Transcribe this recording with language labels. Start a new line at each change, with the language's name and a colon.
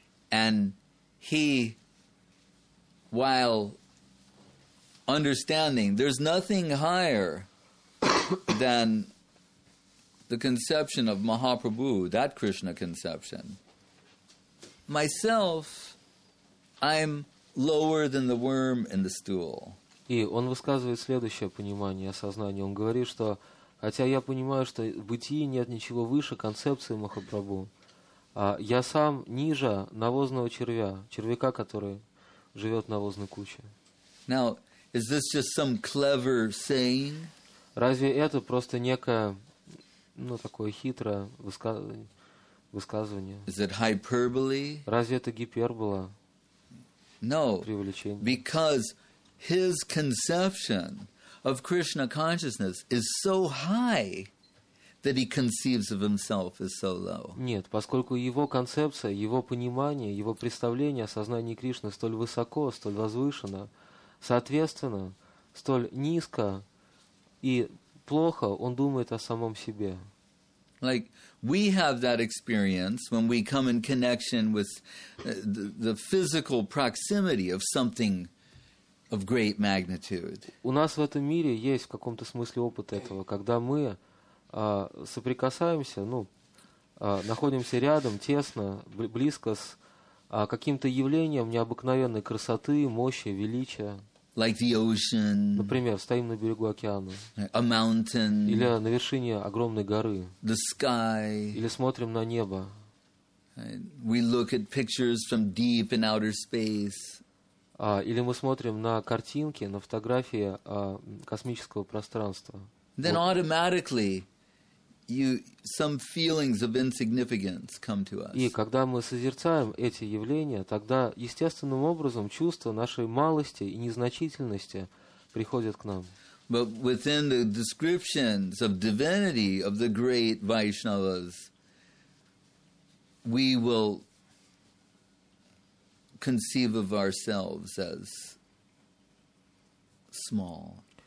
English: And he, while understanding, there's nothing higher than the conception of Mahaprabhu, that Krishna conception. Myself, I'm lower than the worm in the stool.
Russian: И он высказывает следующее понимание осознания. Он говорит, что хотя я понимаю, что в бытии нет ничего выше концепции Махапрабху, я сам ниже навозного червя, червяка, который живет в навозной куче.
English: Now, is this just some clever saying?
Russian: Разве это просто некое, ну, такое хитрое высказывание?
English: Is it hyperbole?
Russian: Разве это гипербола?
English: No,
Russian: преувеличение.
English: Because his conception of Krishna consciousness is so high that he conceives of himself as so low.
Russian: Нет, поскольку его концепция, его понимание, его представление о сознании Кришны столь высоко, столь возвышено, соответственно, столь низко и плохо он думает о самом себе.
English: Like we have that experience when we come in connection with the physical proximity of something of great magnitude.
Russian: У нас в этом мире есть в каком-то смысле опыт этого, когда мы соприкасаемся, ну, находимся рядом, тесно, близко с каким-то явлением необыкновенной красоты, мощи, величия.
English: Like the ocean,
Russian: например, стоим на берегу океана.
English: A mountain,
Russian: или на вершине огромной горы.
English: The sky,
Russian: или смотрим на небо.
English: We look at pictures from deep in outer space.
Russian: Или мы смотрим на картинки, на фотографии космического пространства.
English: Then
Russian: вот.
English: Automatically you, some feelings of insignificance come to us.
Russian: И когда мы созерцаем эти явления, тогда естественным образом чувства нашей малости и незначительности приходят к нам.
English: But within the descriptions of divinity of the great Vaishnavas, we will conceive of ourselves as small.